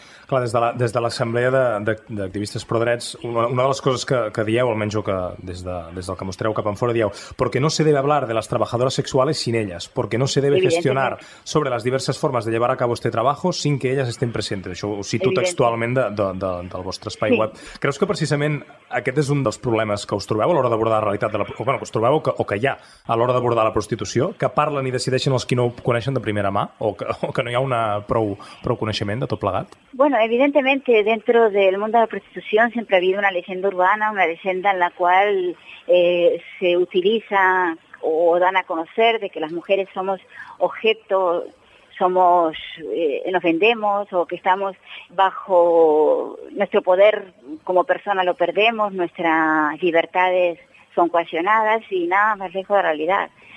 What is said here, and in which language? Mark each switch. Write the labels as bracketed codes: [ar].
[ca] Clar, des de l'Assemblea d'Activistes Prodrets, una de les coses que dieu, almenys jo que des del que mostreu cap enfora, dieu [es] «Porque no se debe hablar de las trabajadoras sexuales sin ellas, porque no se debe gestionar sobre las diversas formas de llevar a cabo este trabajo sin que ellas estén presentes». [ca] Això ho cito textualment del vostre espai web. Creus que precisament aquest és un dels problemes que us trobeu a l'hora d'abordar la realitat, que hi ha a l'hora d'abordar la prostitució, que parlen i decideixen els qui no ho coneixen de primera mà, o que no hi ha prou coneixement de tot plegat? [es] Bueno, evidentemente dentro del mundo de la prostitución siempre ha habido una leyenda urbana, una leyenda en la cual se utiliza o dan a conocer de que las mujeres somos objeto, nos vendemos o que estamos bajo nuestro poder como persona lo perdemos, nuestras libertades son coaccionadas y nada más lejos de la realidad.